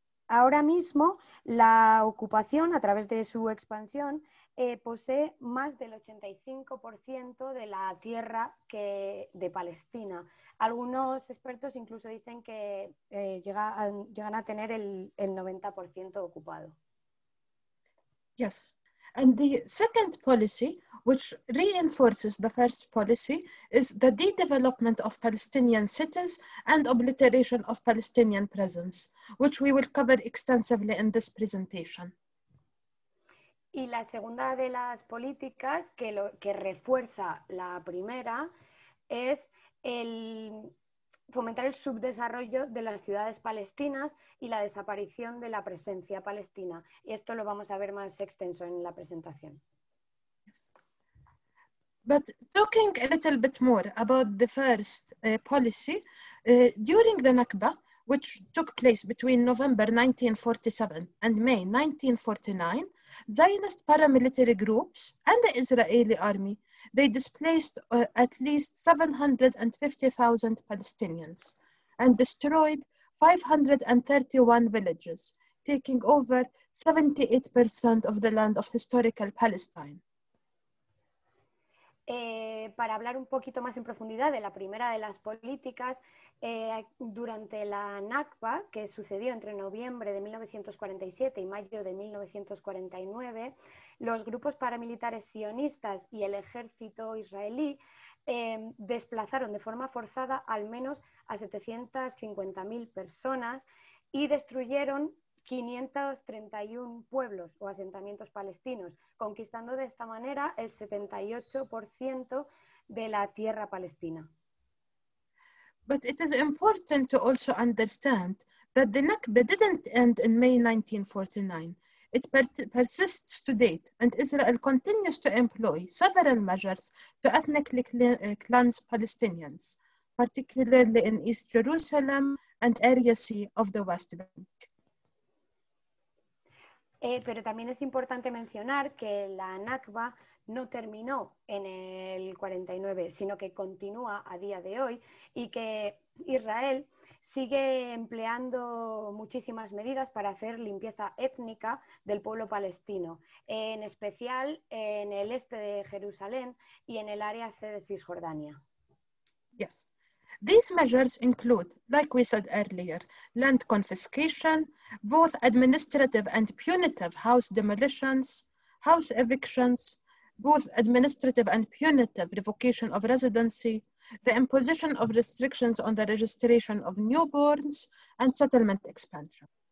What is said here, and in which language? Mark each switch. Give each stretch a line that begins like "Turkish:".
Spanish: Ahora mismo, la ocupación, a través de su expansión, posee más del 85% de la tierra de Palestina. Algunos expertos incluso dicen que llegan a tener el 90% ocupado.
English: Yes. And the second policy, which reinforces the first policy, is the de-development of Palestinian cities and obliteration of Palestinian presence, which we will cover extensively in this presentation.
Spanish: Y la segunda de las políticas que refuerza la primera es el fomentar el subdesarrollo de las ciudades palestinas y la desaparición de la presencia palestina. Y esto lo vamos a ver más extenso en la presentación.
English: But talking a little bit more about the first policy, during the Nakba, which took place between November 1947 and May 1949, Zionist paramilitary groups and the Israeli army, they displaced at least 750,000 Palestinians and destroyed 531 villages, taking over 78% of the land of historical Palestine.
Spanish: Para hablar un poquito más en profundidad de la primera de las políticas, durante la Nakba, que sucedió entre noviembre de 1947 y mayo de 1949, los grupos paramilitares sionistas y el ejército israelí desplazaron de forma forzada al menos a 750.000 personas y destruyeron 531 pueblos o asentamientos palestinos, conquistando de esta manera el 78% de la tierra palestina.
English: But it is important to also understand that the Nakba didn't end in May 1949. It persists to date, and Israel continues to employ several measures to ethnically cleanse Palestinians. particularly in East Jerusalem and areas of the West Bank.
Spanish: Pero también es importante mencionar que la Nakba no terminó en el 49, sino que continúa a día de hoy y que Israel sigue empleando muchísimas medidas para hacer limpieza étnica del pueblo palestino, en especial en el este de Jerusalén y en el área C de Cisjordania.
English: Yes. These measures include, like we said earlier, land confiscation, both administrative and punitive house demolitions, house evictions, both administrative and punitive revocation of residency, the imposition of restrictions on the registration of newborns, and settlement expansion.